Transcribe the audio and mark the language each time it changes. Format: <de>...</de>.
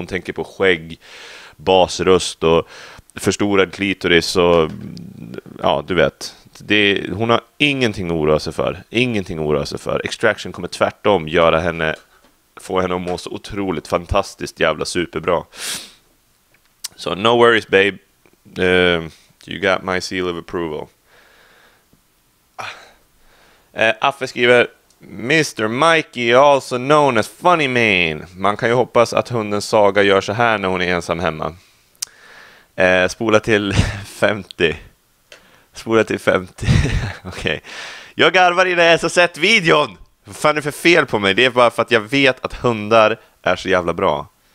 <sv>Hon tänker på skägg, basröst och förstorad klitoris och ja, du vet. Hon har ingenting att oroa sig för. Ingenting att oroa sig för. Extraction kommer tvärtom göra henne, få henne att må så otroligt fantastiskt jävla superbra.</sv> <en>Så so, no worries babe. You got my seal of approval.</en> <sv>Affe skriver:</sv> <en>Mr. Mikey, also known as Funny Man.</en> <sv>Man kan ju hoppas att hunden Saga gör så här när hon är ensam hemma. Spola till 50. Spola till 50. Okej. Okay. Jag garvar i det här videon. Vad fan är det för fel på mig? Det är bara för att jag vet att hundar är så jävla bra.</sv>